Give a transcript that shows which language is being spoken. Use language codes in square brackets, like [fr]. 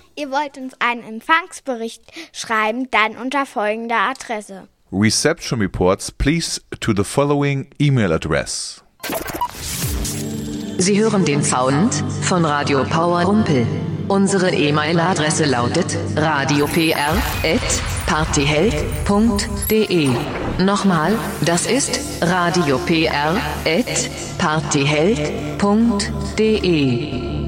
[de] wollt uns einen Empfangsbericht schreiben, dann unter folgender Adresse. [en] Reception reports please to the following email address. [de] Sie hören den Sound von Radio Power Rumpel. Unsere E-Mail-Adresse lautet radiopr@partyheld.de. Nochmal, das ist radiopr@partyheld.de.